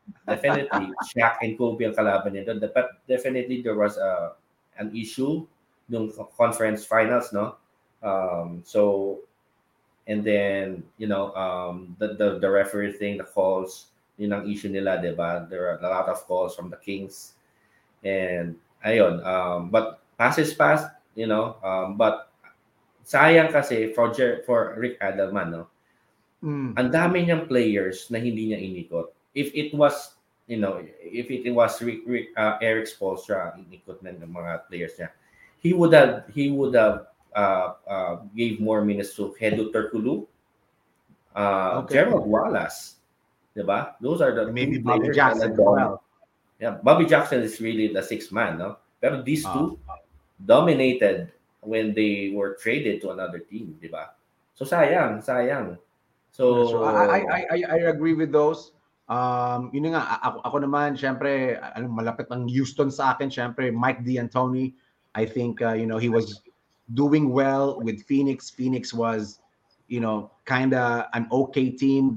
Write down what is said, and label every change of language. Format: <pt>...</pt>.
<tl>Definitely, Shaq and Kobe ang kalaban niya.</tl> <en>But definitely, there was an issue nung conference finals, no? The referee thing, the calls,</en> <tl>yun ang issue nila, di ba?</tl> <en>There are a lot of calls from the Kings. And, ayun. But pass is pass, you know. But</en> <tl>sayang kasi</tl> <en>for Rick Adelman, no?</en> <tl>Ang dami niyang players na hindi niya inikot.</tl> <en>If it was Eric Spoelstra</en> <tl>inikot na ng mga players niya,</tl> <en>he would have gave more minutes to Hedo Turkoglu, Gerald Wallace. Diba? Those are the maybe Bobby Jackson. Yeah, Bobby Jackson is really the sixth man, no? But these two dominated when they were traded to another team, diba? So sayang. So I agree with those.</en> <tl>Yun nga, ako naman, syempre, malapit ang Houston sa akin, syempre, Mike D'Antoni.</tl> <en>I think he was doing well with Phoenix. Phoenix was, you know, kind of an okay team.</en>